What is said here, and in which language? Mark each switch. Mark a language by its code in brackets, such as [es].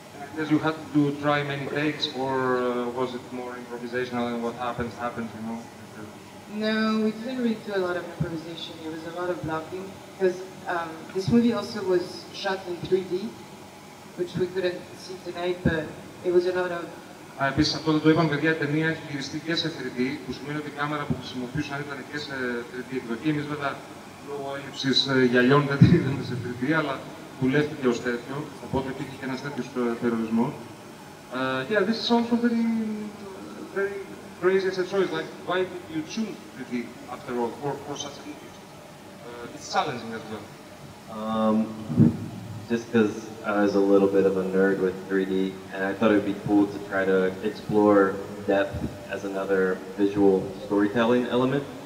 [en] Because you had to try many takes or was it more improvisational and what happens, happens, you know? No, we couldn't really do a lot of improvisation. It was a lot of blocking. Because this movie also was shot in 3D, which we couldn't see tonight, but it was a lot of... [el] Επίσης, αυτό δεν το είπαμε, παιδιά, η ταινία έχει γυριστεί και σε 3D, που σημαίνει ότι η κάμερα που χρησιμοποιούσαν ήταν και σε 3D εκδοχή. Εμείς, βέβαια, λόγω έλλειψης γυαλιών δεν την είδαμε σε 3D, αλλά δουλεύτηκε ως τέτοιο, οπότε υπήρχε και ένας τέτοιος περιορισμός. [en] Yeah, this is also very, very crazy as a choice. Like, why did you choose 3D, after all, for such a movie? It's challenging as well. Just because I was a little bit of a nerd with 3D, and I thought it would be cool to try to explore depth as another visual storytelling element.